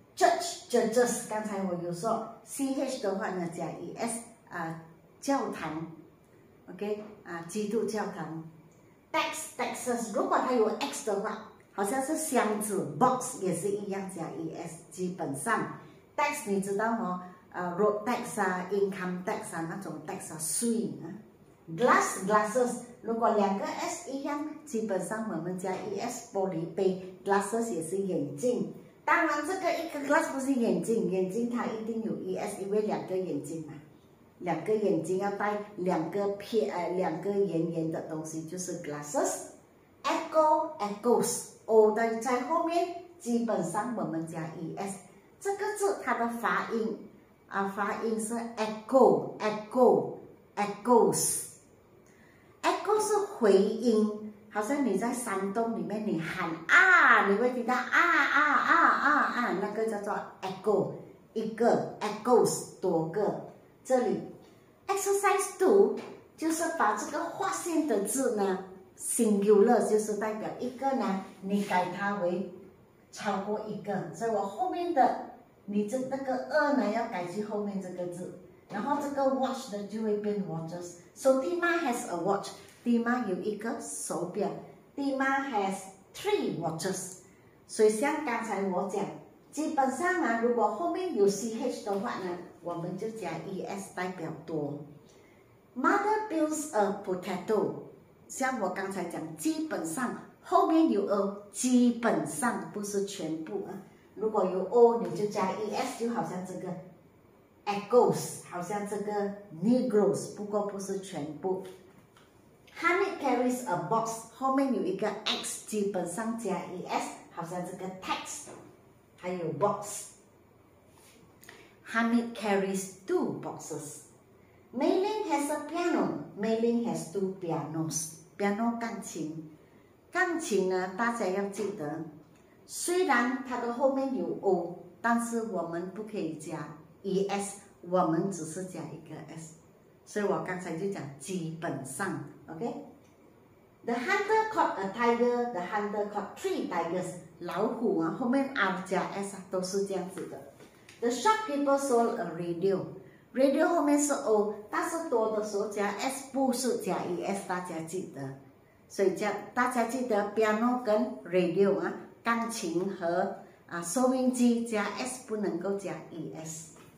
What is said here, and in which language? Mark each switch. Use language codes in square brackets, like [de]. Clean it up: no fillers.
[zh] Judge judges， 刚才我有说 ch 的话呢加 es 啊，教堂 ，OK 啊，基督教堂。 Tax taxes， 如果它有 x 的话，好像是箱子 box 也是一样加 es。基本上 tax 你知道吗？ road tax 啊 ，income tax 啊，那种 tax 啊，税啊。 Glass glasses， 如果两个 s 一样，基本上我们加 es， 玻璃杯。 Glasses 也是眼镜。当然这个一个 glass 不是眼镜，眼镜它一定有 ES， 因为两个眼睛嘛，两个眼睛要戴两个片，两个圆圆的东西就是 glasses。 Echo echoes O 的在后面，基本上我们加 ES。这个字它的发音啊，发音是 echo echo echoes， echo 是回音，好像你在山洞里面你喊啊，你会听到啊啊啊啊啊，那个叫做 echo， 一个 echoes 多个。这里 exercise 2就是把这个划线的字呢 singular 就是代表一个呢，你改它为超过一个，所以我后面的你这那个二呢要改去后面这个字，然后这个 watch 的就会变 watches。 [en] So Dima has a watch，Dima [zh] 有一个手表 [en] ，Dima has three watches。 [zh] 所以像刚才我讲，基本上啊，如果后面有 ch 的话呢，我们就加 es 代表多。 [en] Mother builds a potato。 [zh] 像我刚才讲，基本上后面有 a， 基本上不是全部啊。如果有 o， 你就加 es， 就好像这个 echoes， 好像这个 negroes， 不过不是全部。 [en] Hamid carries a box， [zh] 后面有一个 x， 基本上加 es， 好像这个 text 还有 box。 [en] Hamid carries two boxes。 Mayling has a piano， Mayling has two pianos， piano [zh] 钢琴。钢琴呢，大家要记得，虽然它的后面有 o， 但是我们不可以加 es， 我们只是加一个 s， 所以我刚才就讲基本上。 [en] Okay, the hunter caught a tiger. The hunter caught three tigers. [zh] 老虎啊，后面 r 加 s 啊，都是这样子的。 [en] The shopkeeper sold a radio. [zh] Radio 后面是 o， 但是多的时候加 s， 不是加 es， 大家记得。所以加大家记得 piano 跟 radio 啊，钢琴和啊收音机加 s 不能够加 es。